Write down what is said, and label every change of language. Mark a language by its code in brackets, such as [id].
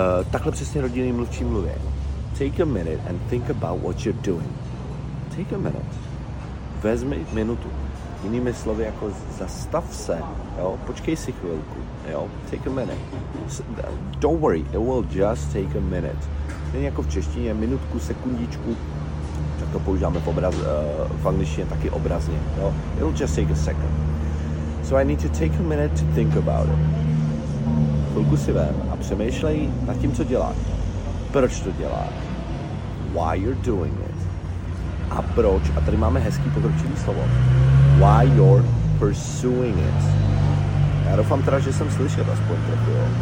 [cs] Takhle přesně rodinný mluvčí mluví. [en] Take a minute and think about what you're doing. Take a minute. [cs] Vezmi minutu. Jinými slovy, jako zastav se, jo, počkej si chvilku, jo, [en] take a minute. Don't worry, it will just take a minute. [cs] Není jako v češtině, minutku, sekundičku, tak to používáme v angličtině taky obrazně, jo. [en] It'll just take a second. So I need to take a minute to think about it. [cs] Chvilku si vem a přemýšlej nad tím, co děláš. Proč to děláš? [en] Why you're doing it? [cs] A proč? A tady máme hezký pokročilý slovo. [en] Why you're pursuing it. [cs] Já doufám teda, že jsem slyšel aspoň trochu, jo.